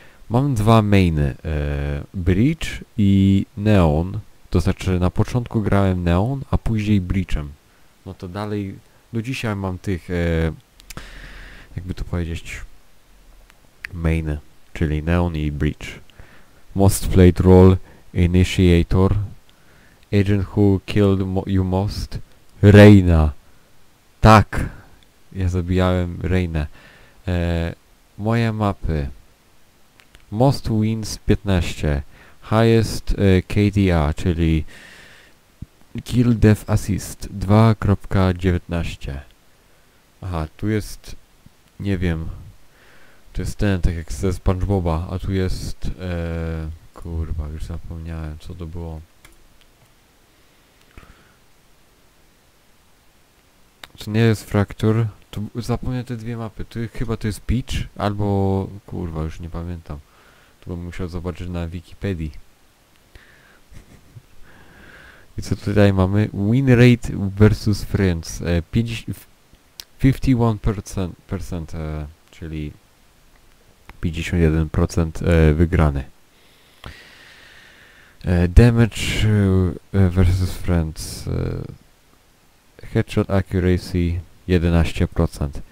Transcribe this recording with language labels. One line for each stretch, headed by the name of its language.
Polish: Mam dwa mainy, Breach i Neon, to znaczy na początku grałem Neon, a później Breachem. No to dalej, do dzisiaj mam tych, jakby to powiedzieć, mainy, czyli Neon i Breach.
English: Most played role, Initiator, Agent who killed you most, Reyna.
Polish: Tak, ja zabijałem Reynę. Moje mapy.
English: Most wins 15, highest KDA, czyli kill death assist 2.19.
Polish: Aha, tu jest, nie wiem, to jest ten, tak jak ze SpongeBoba, a tu jest, kurwa, już zapomniałem, co to było. To nie jest Fraktur, tu zapomniałem te dwie mapy, tu chyba to jest Beach, albo, kurwa, już nie pamiętam. To bym musiał zobaczyć na Wikipedii. I co tutaj mamy?
English: Win rate versus friends.
Polish: 51%, czyli 51% wygrany.
English: Damage versus friends. Headshot accuracy 11%.